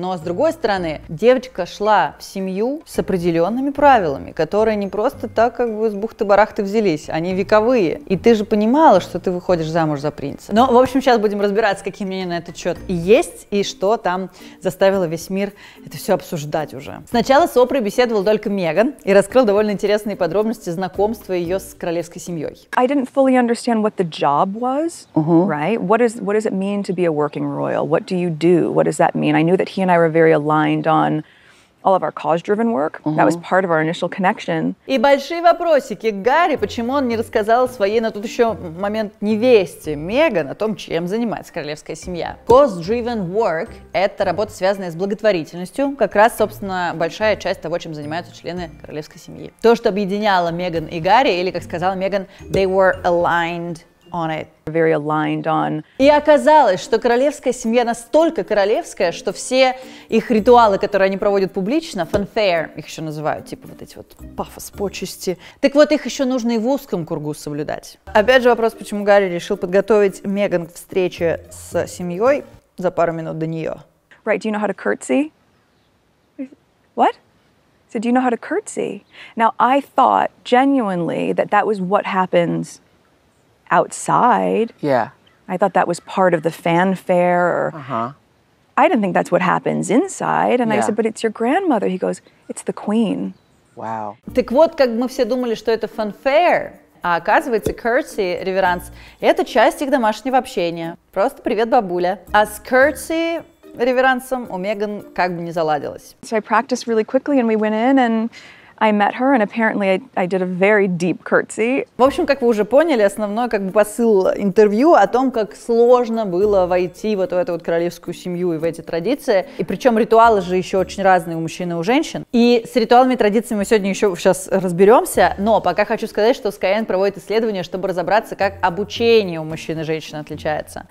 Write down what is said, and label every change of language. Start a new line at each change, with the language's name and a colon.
Russian: Но, с другой стороны, девочка шла в семью с определенными правилами, которые не просто так, как бы, с бухты-барахты взялись. Они вековые. И ты же понимала, что ты выходишь замуж за принца. Но, в общем, сейчас будем разбираться, какие мнения на этот счет есть, и что там заставило весь мир это все обсуждать уже. Сначала с Опрой беседовал только Меган и раскрыл довольно интересные подробности знакомства ее с королевской семьей.
English: I didn't fully understand what the job was, right? What is it mean to be a working royal? What do you do? What does that mean? I knew that he and I were very aligned on all of our cause-driven work. Uh-huh. That was part of our initial connection.
Russian: И большие вопросики к Гарри, почему он не рассказал своей на тот еще момент невесте Меган о том, чем занимается королевская семья. Cause-driven work – это работа, связанная с благотворительностью, как раз, собственно, большая часть того, чем занимаются члены королевской семьи. То, что объединяло Меган и Гарри, или, как сказала Меган,
English: they were aligned on it. Very aligned on.
Russian: И оказалось, что королевская семья настолько королевская, что все их ритуалы, которые они проводят публично, fanfare, их еще называют, типа вот эти вот пафос почести, так вот их еще нужно и в узком кругу соблюдать. Опять же вопрос, почему Гарри решил подготовить Меган к встрече с семьей за пару минут до нее.
English: Right, do you know how to curtsy? What? So do you know how to curtsy? Now I thought genuinely that that was what happens outside. Yeah. I thought that was part of the fanfare or I didn't think that's what happens inside. And yeah. I said, but it's your grandmother. He goes, it's the queen. Wow.
Russian: Так вот, как мы все думали, что это fanfare, а оказывается, curtsy, реверанс, это часть их домашнего общения. Просто привет, бабуля. А с curtsy реверансом у Меган как бы не заладилось.
English: So I practiced really quickly and we went in and I met her and apparently I did a very deep curtsy.
Russian: В общем, как вы уже поняли, основной как бы посыл интервью о том, как сложно было войти вот в эту вот королевскую семью и в эти традиции. И причем ритуалы же еще очень разные у мужчин и у женщин. И с ритуалами и традициями мы сегодня еще сейчас разберемся. Но пока хочу сказать, что Skyeng проводит исследование, чтобы разобраться, как обучение у мужчин и женщин отличается.